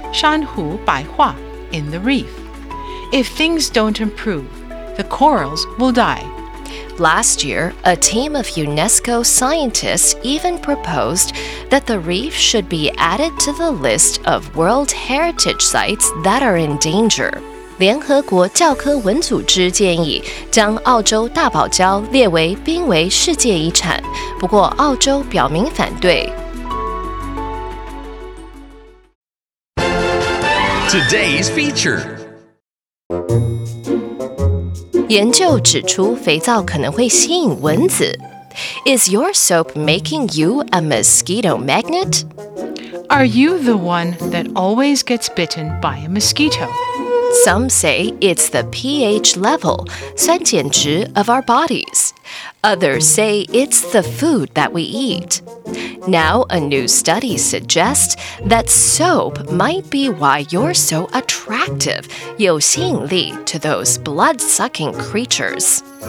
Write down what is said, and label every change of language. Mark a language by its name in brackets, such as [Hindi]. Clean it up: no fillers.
[English] 珊瑚白化 in the reef. If things don't improve, the corals will die. Last year, a team of UNESCO scientists even proposed that the reef should be added to the list of World Heritage Sites that are in danger. [Chinese] 联合国教科文组织建议将澳洲大堡礁列为濒危世界遗产，不过澳洲表明反对。 [English] Today's feature. [Chinese] 研究指出肥皂可能会吸引蚊子。 [English] Is your soap making you a mosquito magnet? Are you the one that always gets bitten by a mosquito? Some say it's the pH level, 酸碱值 of our bodies. Others say it's the food that we eat. Now, a new study suggests that soap might be why you're so attractive, 有吸引力 to those blood-sucking creatures.